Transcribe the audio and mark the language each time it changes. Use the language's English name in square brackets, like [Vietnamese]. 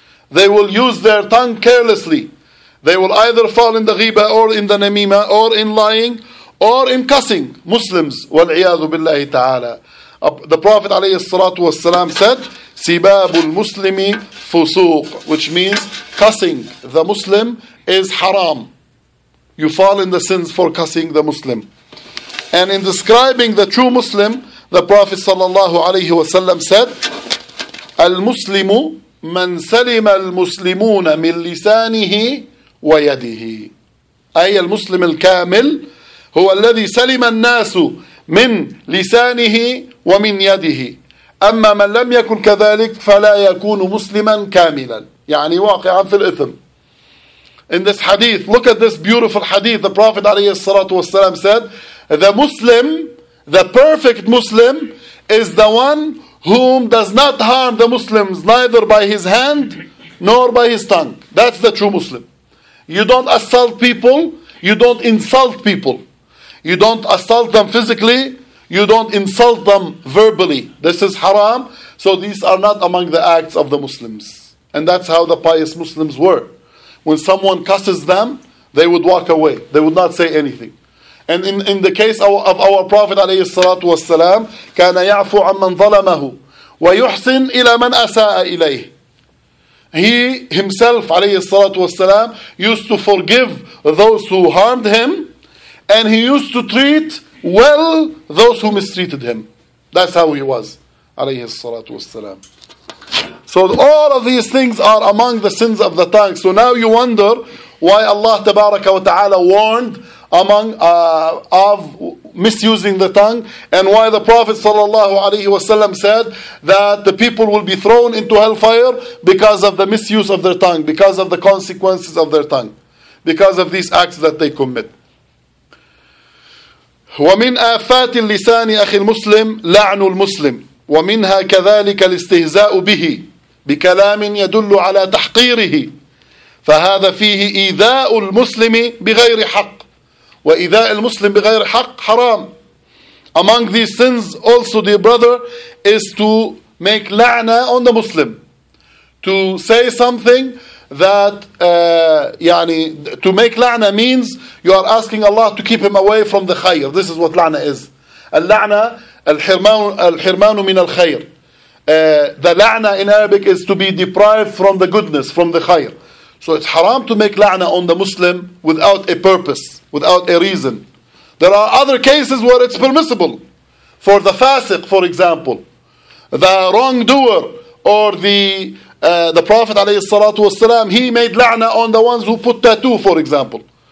[English] They will use their tongue carelessly. They will either fall in the ghiba or in the namima or in lying or in cussing Muslims. [Arabic] وَالْعِيَاذُ بِاللَّهِ تَعَالَى. [English] The Prophet عليه الصلاة والسلام said, [Arabic] سِبَابُ الْمُسْلِمِ فُسُوقُ, [English] which means cussing the Muslim is haram. You fall in the sins for cussing the Muslim. And in describing the true Muslim, the Prophet صلى الله عليه وسلم said, [Arabic] الْمُسْلِمُ من سلم المسلمون من لسانه ويده. أي المسلم الكامل هو الذي سلم الناس من لسانه ومن يده. أما من لم يكن كذلك فلا يكون مسلما كاملا. يعني واقعا في الإثم. [English] In this hadith, look at this beautiful hadith. The Prophet عليه الصلاة والسلام said, the Muslim, the perfect Muslim, is the one whom does not harm the Muslims neither by his hand nor by his tongue. That's the true Muslim. You don't assault people. You don't insult people. You don't assault them physically. You don't insult them verbally. This is haram. So these are not among the acts of the Muslims. And that's how the pious Muslims were. When someone cusses them, they would walk away. They would not say anything. And in the case of our Prophet [Arabic] عليه الصلاة والسلام, كان يعفو عن من ظلمه ويحسن إلى من أساء إليه. [English] He himself عليه الصلاة والسلام used to forgive those who harmed him, and he used to treat well those who mistreated him. That's how he was عليه الصلاة والسلام. So all of these things are among the sins of the tongue. So now you wonder why Allah تبارك وتعالى warned among of misusing the tongue, and why the Prophet sallallahu alaihi wasallam said that the people will be thrown into hellfire because of the misuse of their tongue, because of the consequences of their tongue, because of these acts that they commit. [Arabic] ومن آفات اللسان أخي المسلم لعن المسلم ومنها كذلك الاستهزاء به بكلام يدل على تحقيره فهذا فيه إيذاء المسلم بغير حق وإيذاء المسلم بغير حق حرام. [English] Among these sins also, dear brother, is to make لعنة on the Muslim, to say something that يعني to make لعنة means you are asking Allah to keep him away from the خير. This is what لعنة is. [Arabic] اللعنة الحرمان من الخير. [English] The لعنة in Arabic is to be deprived from the goodness, from the خير. So it's haram to make لعنة on the Muslim without a purpose, without a reason. There are other cases where it's permissible. For the fasiq, for example, the wrongdoer, or the Prophet عليه الصلاة والسلام, he made لعنة on the ones who put tattoo, for example.